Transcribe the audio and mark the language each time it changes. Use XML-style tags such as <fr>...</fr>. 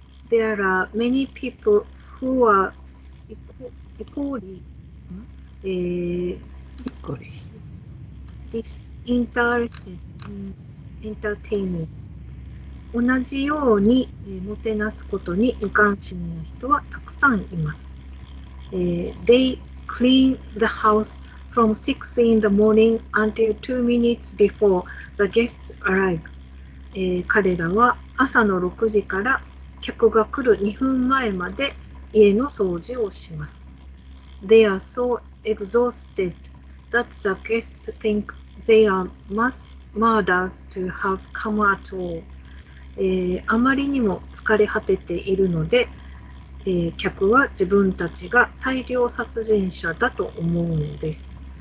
<en>There are many people who are equally disinterested in entertainment.</en> <ja>同じようにもてなすことに無関心な人はたくさんいます。</ja> <en>They clean the house from 6 in the morning until 2 minutes before the guests arrive.</en> <ja>彼らは朝の6時から客が来る2分前まで家の掃除をします。</ja> <en>They are so exhausted that the guests think they are mass murderers to have come at all.</en> <ja>あまりにも疲れ果てているので、客は自分たちが大量殺人者だと思うのです。</ja>